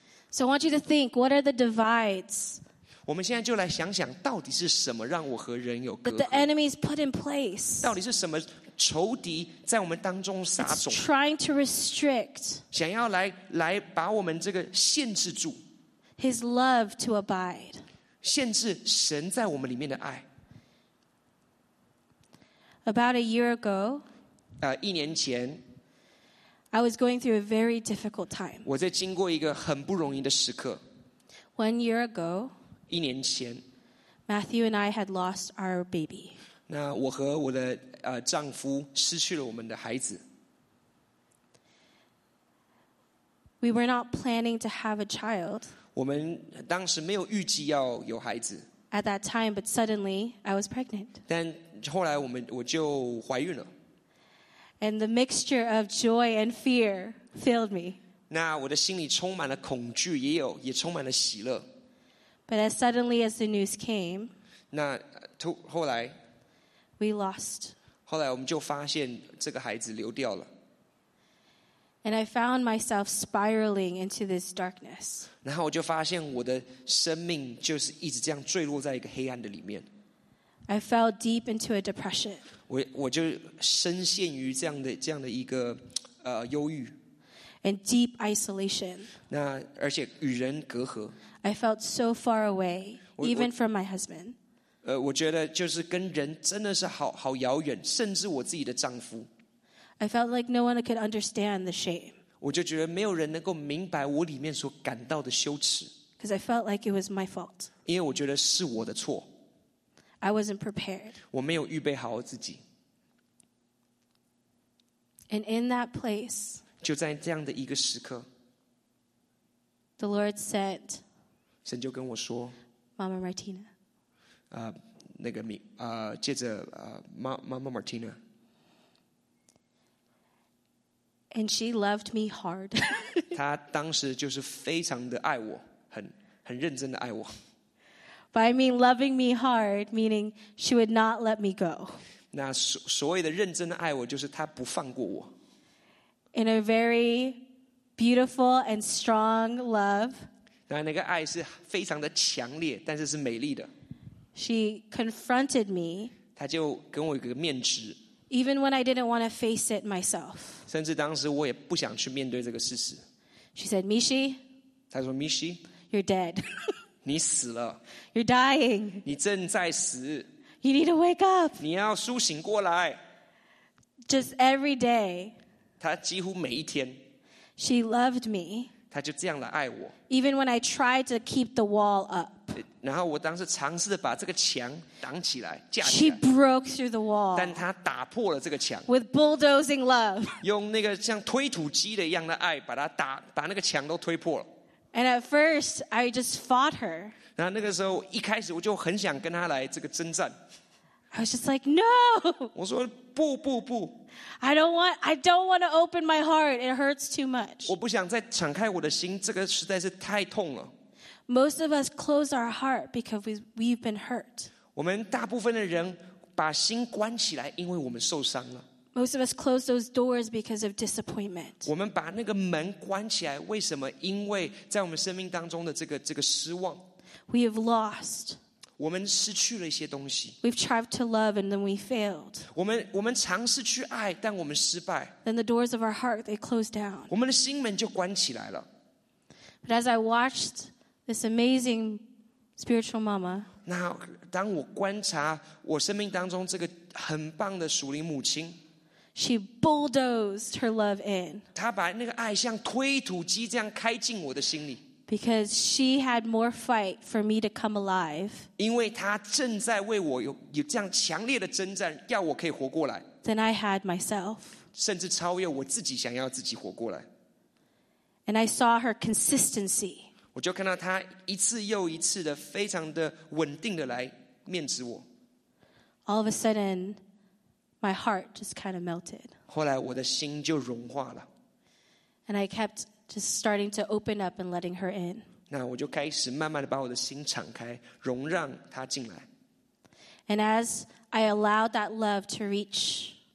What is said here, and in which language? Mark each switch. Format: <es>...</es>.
<en>So I want you to think, what are the divides?</en> <zh>我们现在就来想想，到底是什么让我和人有隔阂？</zh> <en>But the enemy is put in place.</en> <zh>到底是什么仇敌在我们当中撒种？</zh> <en>It's trying to restrict.</en> <zh>想要来把我们这个限制住。</zh> <en>His love to abide.</en> <zh>限制神在我们里面的爱。</zh> <en>About a year ago.</en> <zh>一年前。</zh> <en>I was going through a very difficult time.</en> <zh>我在经过一个很不容易的时刻。</zh> <en>One year ago,</en> <zh>一年前,</zh> <en>Matthew and I had lost our baby.</en> <zh>那我和我的丈夫失去了我们的孩子。</zh> <en>We were not planning to have a child.</en> <zh>我们当时没有预计要有孩子。</zh> <en>At that time, but suddenly, I was pregnant.</en> <zh>但后来我就怀孕了。</zh> <en>And the mixture of joy and fear filled me.</en> <zh>那我的心里充满了恐惧，也充满了喜乐。</zh> <en>But as suddenly as the news came,</en> <zh>那后来</zh> <en>we lost.</en> <zh>后来我们就发现这个孩子流掉了。</zh> <en>And I found myself spiraling into this darkness.</en> <zh>然后我就发现我的生命就是一直这样坠落在一个黑暗的里面。</zh> <en>I fell deep into a depression.</en> <zh>我就深陷于这样的一个忧郁。</zh> <en>And deep isolation.</en> <zh>那而且与人隔阂。</zh> <en>I felt so far away, even from my husband.</en> <zh>我觉得就是跟人真的是好遥远，甚至我自己的丈夫。</zh> <en>I felt like no one could understand the shame.</en> <zh>我就觉得没有人能够明白我里面所感到的羞耻。</zh> <en>Because I felt like it was my fault.</en> <zh>因为我觉得是我的错。</zh> <en>I wasn't prepared.</en> <zh>我没有预备好自己。</zh> <en>And in that place,</en> <zh>就在这样的一个时刻，</zh> <en>the Lord said,</en> <zh>神就跟我说，</zh> <en>Mama Martina,</en> <zh>那个名，接着Mama Martina,</zh> <en>and she loved me hard.</en> <zh>她当时就是非常的爱我，很认真的爱我。</zh> <en>By me loving me hard, meaning she would not let me go.</en> <zh>那所谓的认真的爱我，就是她不放过我。</zh> <en>In a very beautiful and strong love.</en> <zh>那个爱是非常的强烈，但是美丽的。</zh> <en>She confronted me.</en> <zh>她就跟我一个面质。</zh> <en>Even when I didn't want to face it myself.</en> <zh>甚至当时我也不想去面对这个事实。</zh> <en>She said, "Mishi."</en> <zh>她说 ，Mishi，</zh> <en>you're dead.</en> <zh>你死了。</zh> <en>You're dying.</en> <zh>你正在死。</zh> <en>You need to wake up.</en> <zh>你要苏醒过来。</zh> <en>Just every day.</en> <zh>她几乎每一天。</zh> <en>She loved me.</en> <zh>她就这样来爱我。</zh> <en>Even when I tried to keep the wall up.</en> <zh>然后我当时尝试把这个墙挡起来，架起来。</zh> <en>She broke through the wall.</en> <zh>但她打破了这个墙。</zh> <en>With bulldozing love.</en> <zh>用那个像推土机的一样的爱，把那个墙都推破了。</zh> <en>And at first, I just fought her.</en> <zh>然后那个时候一开始我就很想跟她来这个征战。</zh> <en>I was just like, no.</en> <zh>我说不不不。</zh> <en>I don't want to open my heart. It hurts too much.</en> <zh>我不想再敞开我的心，这个实在是太痛了。</zh> <en>Most of us close our heart because we've been hurt.</en> <zh>我们大部分的人把心关起来，因为我们受伤了。</zh> <en>Most of us close those doors because of disappointment.</en> <zh>我们把那个门关起来，为什么？因为在我们生命当中的这个失望。</zh> <en>We have lost.</en> <zh>我们失去了一些东西。</zh> <en>We've tried to love and then we failed.</en> <zh>我们尝试去爱，但我们失败。</zh> <en>Then the doors of our heart, they closed down.</en> <zh>我们的心门就关起来了。</zh> <en>But as I watched this amazing spiritual mama,</en> <zh>那当我观察我生命当中这个很棒的属灵母亲。</zh> <en>She bulldozed her love in.</en> <zh>她把那个爱像推土机这样开进我的心里。</zh> <en>Because she had more fight for me to come alive.</en> <zh>因为她正在为我有这样强烈的征战，要我可以活过来。</zh> <en>Than I had myself.</en> <zh>甚至超越我自己想要自己活过来。</zh> <en>And I saw her consistency.</en> <zh>我就看到她一次又一次的非常的稳定的来面质我。</zh> <en>All of a sudden. My heart just kind of melted.</en> <zh>后来我的心就融化了。</zh> <en>And I kept just starting to open up and letting her in.</en> <zh>那我就开始慢慢地把我的心敞开，容让她进来。</zh> <en>And as I allowed that love to reach,</en>